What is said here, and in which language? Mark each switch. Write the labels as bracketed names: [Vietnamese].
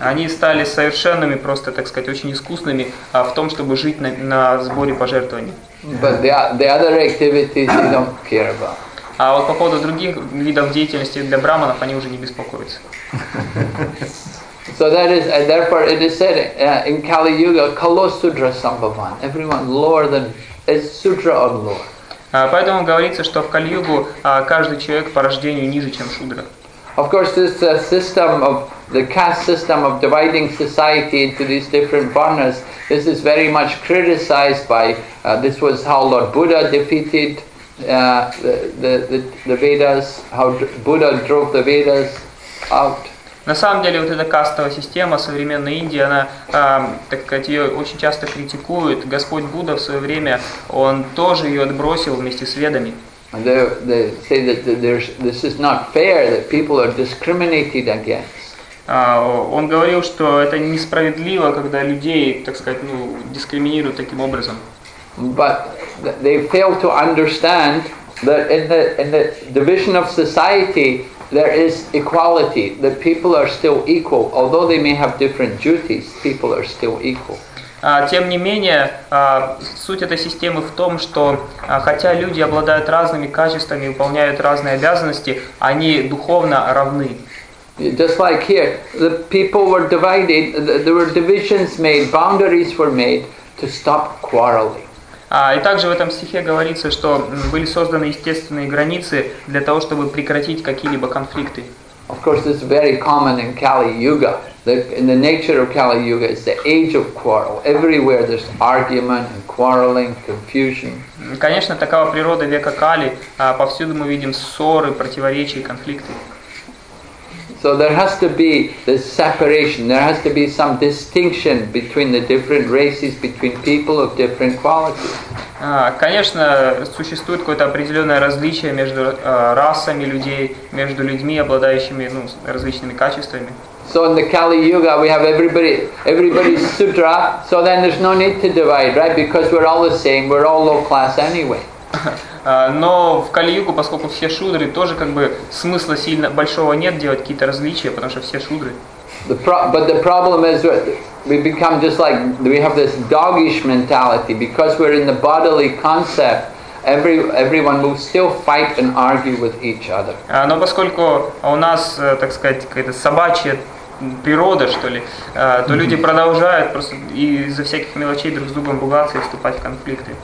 [Russian] Они стали совершенными, просто так сказать, очень искусными в том, чтобы жить на сборе пожертвований. [English] But the other activities they don't care about. [Russian] А вот по поводу других видов деятельности для брахманов они уже не беспокоятся. [English] So that is, and therefore it is said in Kali Yuga, Kalo Sudra Sambhavan. Everyone lower than, is Sudra or lower? [Russian] Поэтому говорится, что в Кали-югу каждый человек по рождению ниже, чем Шудра. [English] Of course, this system of the caste system of dividing society into these different varnas, this is very much criticized by, this was how Lord Buddha defeated the Vedas, how Buddha drove the Vedas out. [Russian] На самом деле, вот эта кастовая система современной Индии, она, так сказать, ее очень часто критикуют. Господь Будда в свое время, он тоже ее отбросил вместе с ведами. [English] They say that this is not fair, that people are discriminated against. [Russian] Он говорил, что это несправедливо, когда людей, так сказать, ну, дискриминируют таким образом. [English] But they fail to understand that in the division of society, there is equality. The people are still equal, although they may have different duties. People are still equal. [Russian] Тем не менее, суть этой системы в том, что хотя люди обладают разными качествами, выполняют разные обязанности, они духовно равны. [English] Just like here, the people were divided. There were divisions made. Boundaries were made to stop quarreling. [Russian] И также в этом стихе говорится, что были созданы естественные границы для того, чтобы прекратить какие-либо конфликты. [English] Of course, this is very common in Kali Yuga. In the nature of Kali Yuga is the age of quarrel. Everywhere there's argument and quarreling, confusion. [Russian] Конечно, такова природа века Кали. Повсюду мы видим ссоры, противоречия, конфликты. [English] So there has to be this separation, there has to be some distinction between the different races, between people of different qualities. [Russian] Конечно, существует какое-то определенное различие между расами людей, между людьми, обладающими, ну, различными качествами. [English] So in the Kali Yuga we have everybody's sudra, so then there's no need to divide, right? Because we're all the same, we're all low class anyway. [Russian] Но в Кали-югу, поскольку все шудры, тоже как бы смысла сильно большого нет делать какие-то различия, потому что все шудры. [English] But the problem is we become just like we have this dogish mentality because we're in the bodily concept. Everyone will still fight and argue with each other. [Russian] Но поскольку у нас, так сказать, какая-то собачья природа, что ли, то люди продолжают просто из-за всяких мелочей друг с другом ругаться и вступать в конфликты.